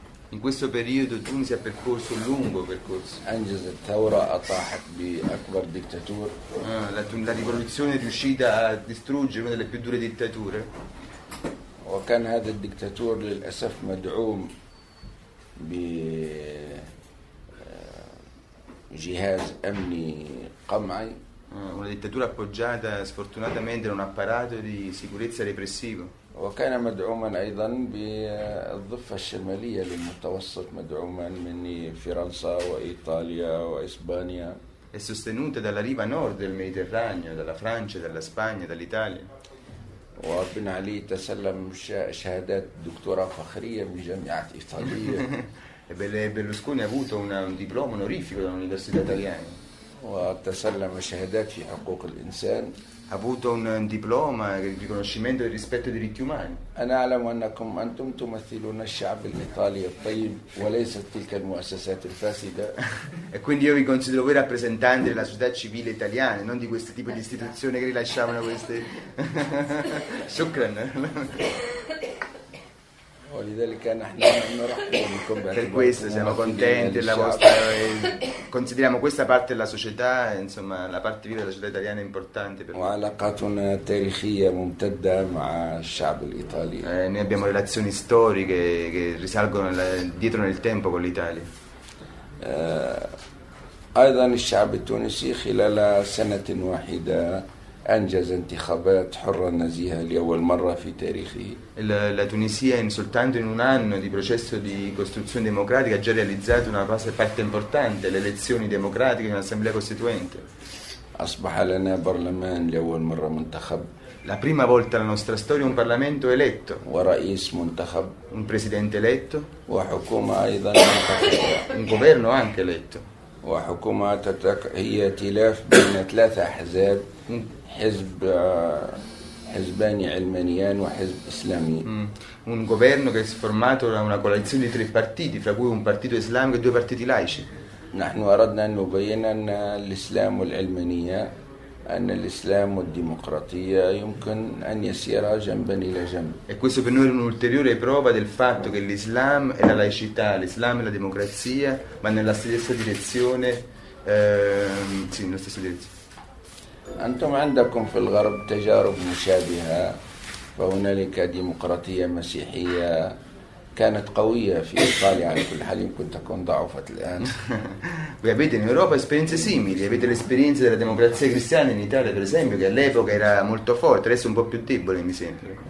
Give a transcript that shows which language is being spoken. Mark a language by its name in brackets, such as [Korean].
[Italian] In questo periodo Tunisi ha percorso un lungo percorso. [Arabic] أنجز الثورة أطاحت بأكبر ديكتاتور. [Italian] La rivoluzione è riuscita a distruggere una delle più dure dittature. [Arabic] وكان هذا الدكتاتور للأسف مدعوم بجهاز أمني قمعي. [Italian] Una dittatura appoggiata sfortunatamente in un apparato di sicurezza repressivo. [Arabic] وكان مدعوما ايضا بالضفه الشماليه للمتوسط مدعوما من فرنسا وايطاليا واسبانيا [Italian] e sostenuta dalla riva nord del Mediterraneo, dalla Francia, dalla Spagna, dall'Italia. [Arabic] وابن علي تسلم شهادات دكتوراه فخريه من جامعات ايطاليه. [Italian] e Berlusconi ha avuto un diploma onorifico dall'università italiana. [Arabic] وتسلم شهادات في حقوق الانسان. [Italian] Ha avuto un diploma di riconoscimento del rispetto dei diritti umani. [Arabic] انا اعلم انكم انتم تمثلون الشعب الايطالي الطيب وليست تلك المؤسسات الفاسده. [Italian] E quindi io vi considero voi rappresentanti della società civile italiana, non di questo tipo di istituzioni che rilasciavano queste. [Arabic] شكرا. ولذلك نحن نرحب بكم. [Italian] Per questo siamo contenti della vostra consideriamo questa parte della società, insomma, la parte viva della società italiana è importante per [Arabic] وعلاقاتنا التاريخية ممتدة مع الشعب الإيطالي. [Italian] Noi abbiamo relazioni storiche che risalgono dietro nel tempo con l'Italia. [Arabic] أيضا الشعب التونسي خلال سنة واحدة أنجز انتخابات حرة نزيهة لأول مرة في تاريخه. [Italian] La Tunisia in soltanto in un anno di processo di costruzione democratica ha già realizzato una parte importante, le elezioni democratiche in un'assemblea costituente. [Arabic] أصبح لنا برلمان لأول مرة منتخب. [Italian] La prima volta nella nostra storia un Parlamento eletto. [Arabic] ورئيس منتخب. [Italian] Un presidente eletto. [Arabic] وحكومة أيضا. [Italian] Un governo anche eletto. [Arabic] وحكومة هي ائتلاف بين ثلاثة أحزاب. حزبان علمانيان وحزب إسلامي. [Italian] Un governo che è formato da una coalizione di tre partiti, fra cui un partito islamico e due partiti laici. [Arabic] نحن أردنا أن نبين أن الإسلام والعلمانية أن الإسلام والديمقراطية يمكن أن يسير جنبا إلى جنب. [Italian] E questo per noi è un'ulteriore prova del fatto che l'Islam e la laicità, l'Islam e la democrazia, ma nella stessa direzione, sì, nella stessa direzione. [Arabic] أنتم عندكم في الغرب تجارب مشابهة فهنالك ديمقراطية مسيحية كانت قوية في إيطاليا على كل حال يمكن تكون ضعفة الآن. [Italian] Voi avete in Europa esperienze simili, avete l'esperienza della democrazia cristiana in Italia per esempio che all'epoca era molto forte, adesso un po' più debole mi sembra.